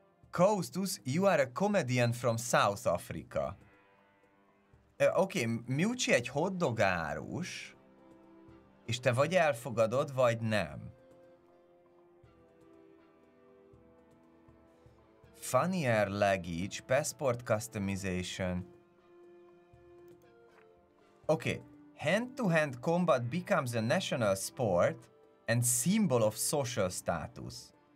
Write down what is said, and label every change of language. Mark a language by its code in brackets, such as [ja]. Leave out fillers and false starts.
[en] Kaustus, you are a comedian from South Africa. [hu] Oké, Miucci egy hotdog árus, és te vagy elfogadod, vagy nem. [en] Funnier luggage, passport customization. Okay, hand-to-hand combat becomes a national sport and symbol of social status.